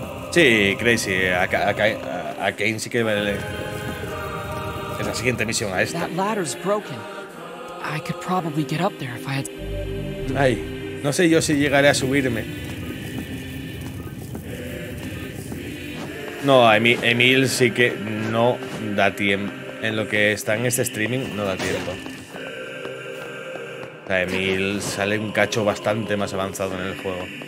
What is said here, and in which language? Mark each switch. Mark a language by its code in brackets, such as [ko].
[es] Sí, Crazy, a Kane sí que vale. Es la siguiente misión a esta. [en] That ladder's broken. I could probably get up there if I had. [es] Ay, no sé yo si llegaré a subirme. No, Emil sí que no da tiempo. En lo que está en este streaming, no da tiempo. O sea, Emil sale un cacho bastante más avanzado en el juego.